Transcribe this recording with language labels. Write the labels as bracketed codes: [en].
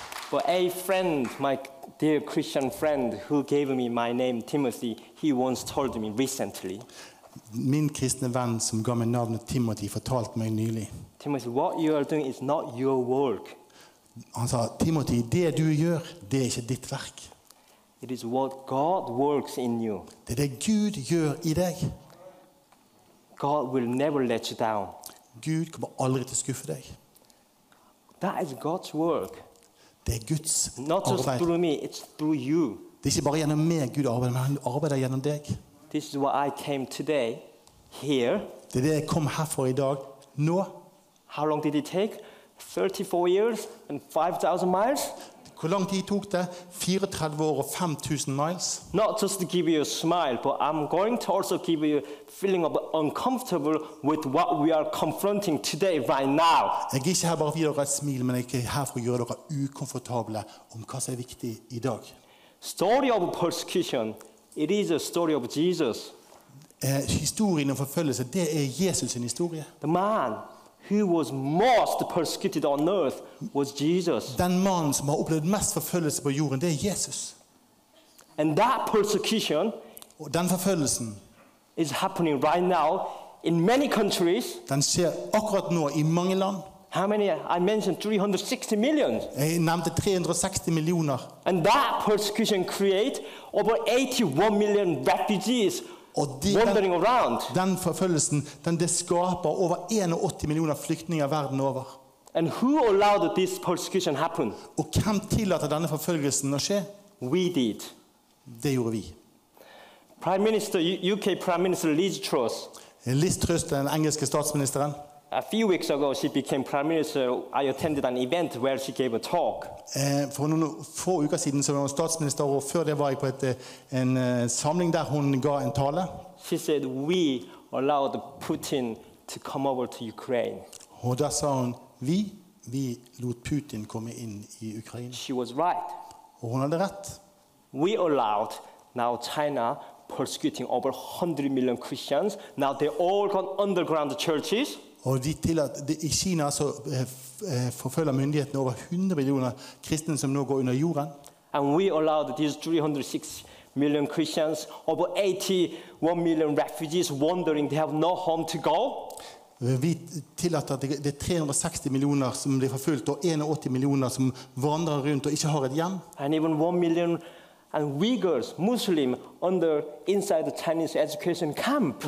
[en] But a friend, my dear Christian friend, who gave me my name Timothy, he once told me recently. [sv] Min kristne vän som gav mig namnet Timothy fortalt mig nyligen. [en] Timothy, what you are doing is not your work. [no] Han sa, Timothy, det du gör, det ikke ditt verk. [en] It is what God works in you. [no] Det det Gud gjør I deg. [en] God will never let you down. [no] Gud kommer aldri til å skuffe deg. [en] That is God's work. [no] Det Guds [en] Not [no] arbeid. [en] Not just through me, it's through you. [no] Det ikke bare gjennom meg Gud arbeider, men han arbeider gjennom deg. [en] This is why I came today, here. [no] Det det jeg kom her for I dag, nå. [en] How long did it take? 34 years and 5,000 miles. [no] Hvor lang tid tok det? 34 år og 5000 miles. [en] Not just to give you a smile, but I'm going to also give you a feeling of uncomfortable with what we are confronting today, right now. [no] Jeg er ikke her bare for å gi dere et smil, men jeg er her for å gjøre dere ukomfortable om hva som er viktig I dag. [en] Story of persecution, it is a story of Jesus. [no] Historien om forfølgelse, det Jesus' historie. [en] The man who was most persecuted on earth was Jesus. [no] Den mann som har opplevd mest forfølgelse på jorden, det Jesus. [en] And that persecution [no] den forfølgelsen, [en] is happening right now in many countries. [no] Den skjer akkurat nå I mange land. [en] How many? I mentioned 360 million. [no] Jeg nevnte 360 millioner. [en] And that persecution creates over 81 million refugees wandering around. [no] Den forfølgelsen, den det skaper over 81 millioner flyktninger verden over. [en] And who allowed this persecution happen? [no] Og hvem tillater denne forfølgelsen å skje? [en] We did. [no] Det gjorde vi. [en] Prime Minister, UK Prime Minister Liz Truss. [no] Liz Truss, den engelske statsministeren. [en] A few weeks ago, she became prime minister. I attended an event where she gave a talk. [no] For noen få uker siden så var hun statsminister, og før det var jeg på en samling der hun ga en tale. [en] She said, "We allowed Putin to come over to Ukraine." [no] Og da sa hun, "Vi lot Putin komme inn I Ukraina." [en] She was right. [no] Og hun hadde rett. [en] We allowed now China persecuting over 100 million Christians. Now they all gone underground churches. [no] Og de tillater, I Kina så forfølger myndighetene over 100 millioner kristne som nå går under jorden. [en] And we allowed these 306 million Christians, over 81 million refugees wandering, they have no home to go. [no] Vi tillater at det 360 millioner som blir forfulgt, og 81 millioner som vandrer rundt og ikke har et hjem. [en] And even 1 million And Uyghurs, Muslim, under inside the Chinese education camp.